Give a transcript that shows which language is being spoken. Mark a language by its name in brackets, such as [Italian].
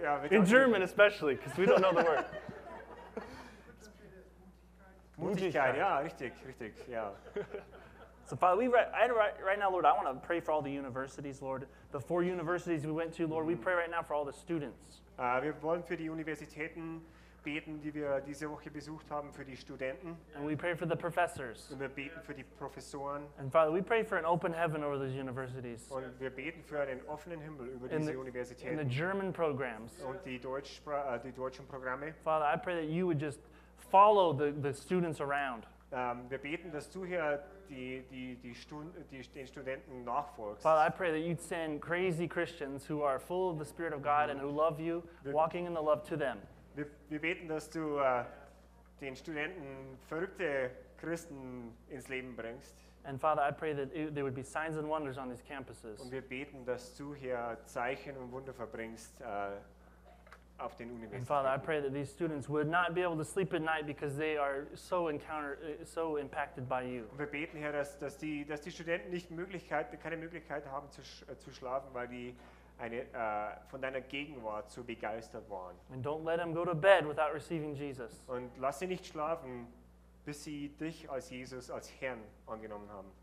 [English] In German, especially, because we don't know the word. [German] Mutigkeit, ja, richtig, richtig, ja. [English] So, Father, right now, Lord, I want to pray for all the universities, Lord. The four universities we went to, Lord, we pray right now for all the students. [German] Wir wollen für die Universitäten beten, die wir diese Woche besucht haben, für die Studenten. [English] And we pray for the professors. [German] Und wir beten für die Professoren. [English] And Father, we pray for an open heaven over those universities. [German] Und wir beten für einen offenen Himmel über in diese Universitäten. [English] And the German programs. [German] Und die deutschen Programme. [English] Father, I pray that you would just follow the students around. [German] Wir beten, dass du hier den Studenten nachfolgst. [English] Father, I pray that you'd send crazy Christians who are full of the Spirit of God mm-hmm. and who love you, walking in the love to them. [German] Wir beten, dass du den Studenten verrückte Christen ins Leben bringst. [English] And Father, I pray that there would be signs and wonders on these campuses. [German] Und wir beten, dass du hier Zeichen und Wunder verbringst auf den Universitäten. [English] And Father, I pray that these students would not be able to sleep at night because they are so impacted by you. [German] Und wir beten, Herr, dass die Studenten keine Möglichkeit haben zu schlafen, weil die von deiner Gegenwart so begeistert waren. [English] And don't let them go to bed without receiving Jesus. [German] Und lass sie nicht schlafen, bis sie dich als Jesus als Herrn angenommen haben.